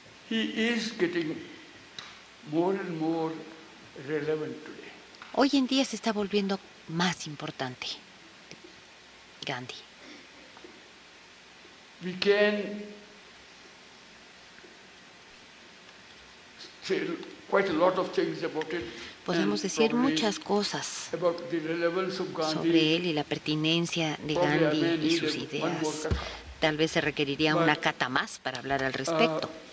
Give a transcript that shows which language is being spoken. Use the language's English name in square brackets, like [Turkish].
[English] He is getting more and more relevant today. [Spanish] Hoy en día se está volviendo más importante Gandhi. [English] We can say quite a lot of things about it. [Spanish] Podemos decir muchas cosas sobre él y la pertinencia de Gandhi y sus ideas. Tal vez se requeriría una cata más para hablar al respecto.